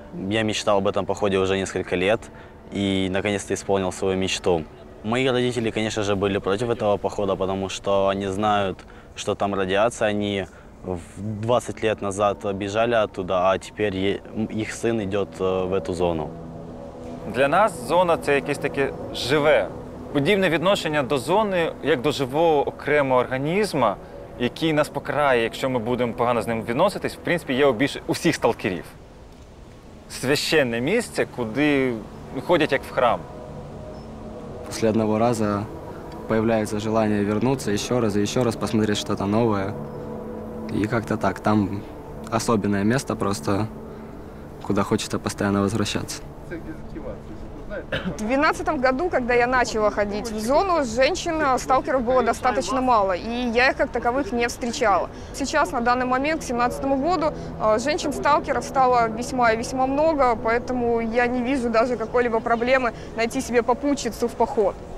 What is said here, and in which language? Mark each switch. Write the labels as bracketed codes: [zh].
[ru] Я мечтал об этом походе уже несколько лет и наконец-то исполнил свою мечту. Мои родители, конечно же, были против этого похода, потому что они знают, что там радиация. Они 20 лет назад бежали оттуда, а теперь их сын идет в эту зону. [uk] Для нас зона – це якесь таке живе. Подібне відношення до зони, як до живого окремого організму, який нас покарає, якщо ми будемо погано з ним відноситись, в принципі, є усіх сталкерів. Священне місце, куди ходять як в храм. Після одного разу появляється желання вернутися ще раз і ще раз [ru] посмотреть что-то новое. И как-то так, там особенное место просто, куда хочется постоянно возвращаться. В 2012 году, когда я начала ходить в зону, женщин, сталкеров было достаточно мало, и я их как таковых не встречала. Сейчас, на данный момент, к 2017 году, женщин-сталкеров стало весьма и весьма много, поэтому я не вижу даже какой-либо проблемы найти себе попутчицу в поход.